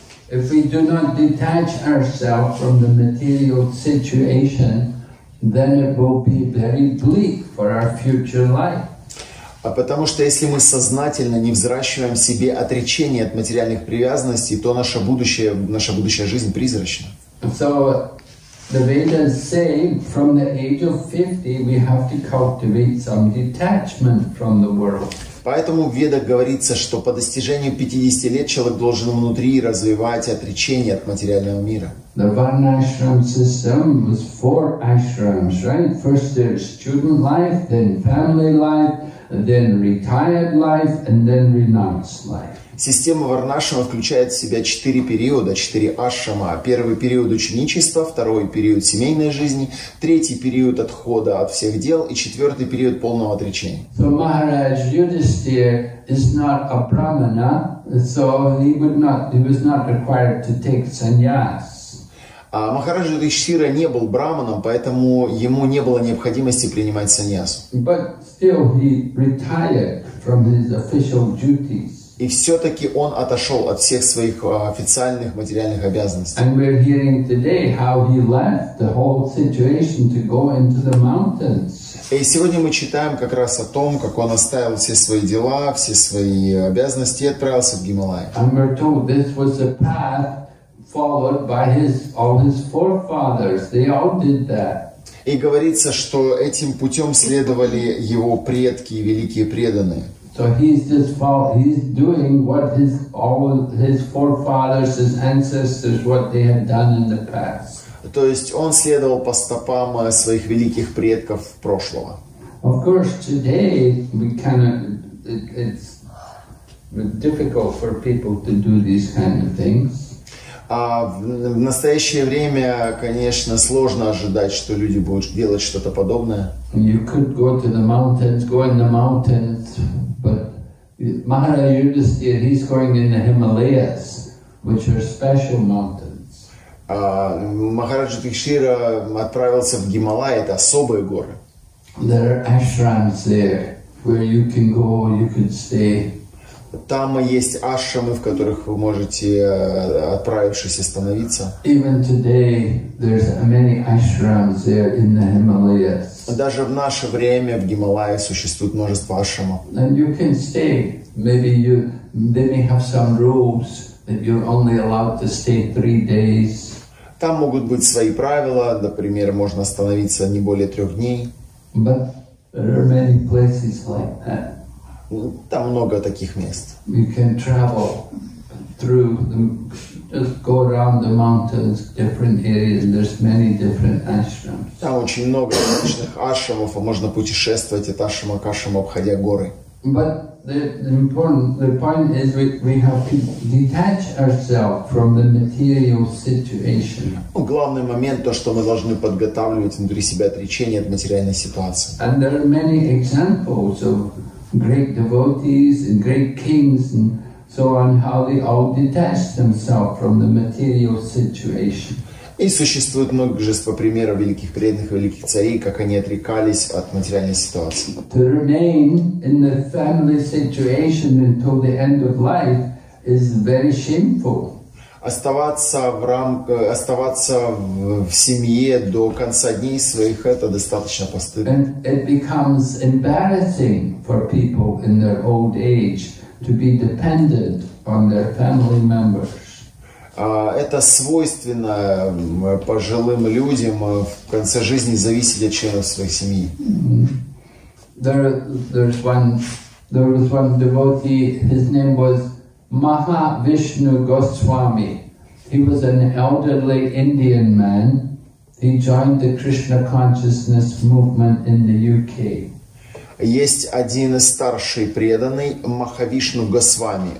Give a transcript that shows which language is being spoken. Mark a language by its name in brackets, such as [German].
[English] If we do not detach ourselves from the material situation, then it will be very bleak for our future life. [Russian] А потому что если мы сознательно не взращиваем в себе отречение от материальных привязанностей, то наша будущая жизнь призрачна. [English] So the Vedas say from the age of 50 we have to cultivate some detachment from the world. [Russian] Поэтому в Ведах говорится, что по достижению 50 лет человек должен внутри развивать отречение от материального мира. [English] The Varnashram system was four ashrams, right? First there's student life, then family life, then retired life, and then renounced life. [Russian] Система Варнашрама включает в себя четыре периода, четыре ашрама. Первый период ученичества, второй период семейной жизни, третий период отхода от всех дел и четвертый период полного отречения. [English] So Maharaj Yudhisthira is not a brahmana, so he was not required to take sannyas. [Russian] А Махараджа Юдхиштхира не был браманом, поэтому ему не было необходимости принимать саньясу. [English] But still he retired from his official duties. [Russian] И все-таки он отошел от всех своих официальных материальных обязанностей. [English] And we're hearing today how he left the whole situation to go into the mountains. [Russian] И сегодня мы читаем как раз о том, как он оставил все свои дела, все свои обязанности и отправился в Гималаи. [English] And we're told this was a path followed by all his forefathers. They all did that. [Russian] И говорится, что этим путем следовали его предки и великие преданные. [English] So he's doing what his forefathers, his ancestors, what they had done in the past. [Russian] То есть он следовал по стопам своих великих предков прошлого. [English] Of course, today we it's difficult for people to do these kind of things. [Russian] А в настоящее время, конечно, сложно ожидать, что люди будут делать что-то подобное. [English] You could go to the mountains, go in the mountains, but Maharaja Yudhisthira, he's going in the Himalayas, which are special mountains. [Russian] Махараджа Юдхиштхира отправился в Гималаи, это особые горы. [English] There are ashrams there where you can go, you could stay. [Russian] Там есть ашрамы, в которых вы можете, отправившись, остановиться. [English] Even today, there's many ashrams there in the Himalayas. [Russian] Даже в наше время в Гималае существует множество ашрамов. [English] And you can stay. They may have some rules that you're only allowed to stay 3 days. [Russian] Там могут быть свои правила. Например, можно остановиться не более 3 дней. [English] But there are many places like that. [Russian] Там много таких мест. [English] You can travel through them, just go around the mountains, different areas, and there's many different ashrams. [Russian] Там очень много различных ашрамов, а можно путешествовать от ашрама к ашраму, обходя горы. [English] But the point is we have to detach ourselves from the material situation. [Russian] Ну, главный момент то, что мы должны подготавливать внутри себя отречение от материальной ситуации. [English] And there are many examples of great devotees and great kings and so on, how they all detached themselves from the material situation. [Russian] И существует множество примеров великих преданных, великих царей, как они отрекались от материальной ситуации. [English] To remain in the family situation until the end of life is very shameful. [Russian] Оставаться в семье до конца дней своих – это достаточно постыдно. [English] And it becomes embarrassing for people in their old age to be dependent on their family members. [Russian] Это свойственно пожилым людям в конце жизни зависеть от членов своей семьи. [English] There was one devotee, his name was Maha Vishnu Goswami. He was an elderly Indian man. He joined the Krishna consciousness movement in the UK. [Russian] Есть один старший преданный Махавишну Госвами.